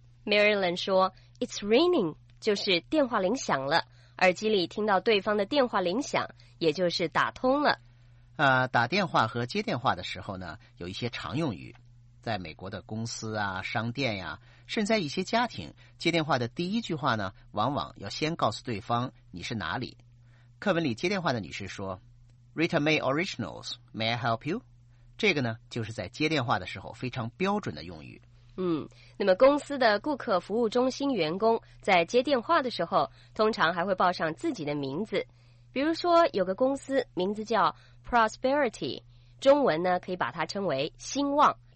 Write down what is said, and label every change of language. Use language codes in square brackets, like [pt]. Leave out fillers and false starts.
[zh] Marilyn 说 [en] It's raining， [zh] 就是电话铃响了，耳机里听到对方的电话铃响，也就是打通了。打电话和接电话的时候呢，有一些常用语。在美国的公司啊商店呀、啊、甚至在一些家庭，接电话的第一句话呢往往要先告诉对方你是哪里。课文里接电话的女士说 [en] Rita May Originals, may I help you? [zh] 这个呢就是在接电话的时候非常标准的用语。那么公司的顾客服务中心员工在接电话的时候通常还会报上自己的名字，比如说有个公司名字叫 Prosperity， 中文呢可以把它称为兴旺。